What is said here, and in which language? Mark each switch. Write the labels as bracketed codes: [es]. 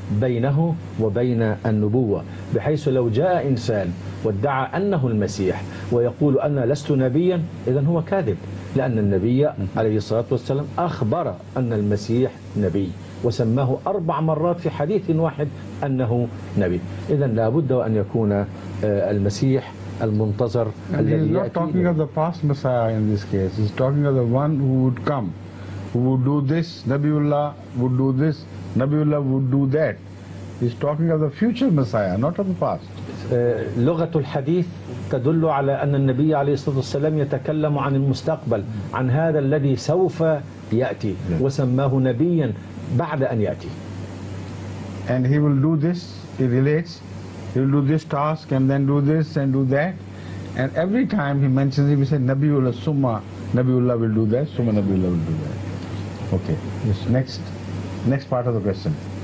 [ar] بينه وبين النبوة، بحيث لو جاء إنسان وادعى أنه المسيح ويقول أنا لست نبيا إذن هو كاذب، لأن النبي عليه الصلاة والسلام أخبر أن المسيح نبي وسماه 4 مرات في حديث واحد أنه نبي. إذن لابد أن يكون المسيح المنتظر الذي يأتي. [en] He's not talking of the past Messiah in this case. He's talking of the one who would come, who would do this, Nabiullah would do this, Nabiullah would do that. He's talking of the future Messiah, not of the past. [ar] لغة الحديث تدل على أن النبي عليه الصلاة والسلام يتكلم عن المستقبل، عن هذا الذي سوف يأتي وسماه نبيا بعد أن يأتي. [en] And he will do this, he relates, he will do this task and then do this and do that. And every time he mentions him, he said, Nabiullah, Summa, Nabiullah will do that, Summa Nabiullah will do that. Okay, yes, next part of the question.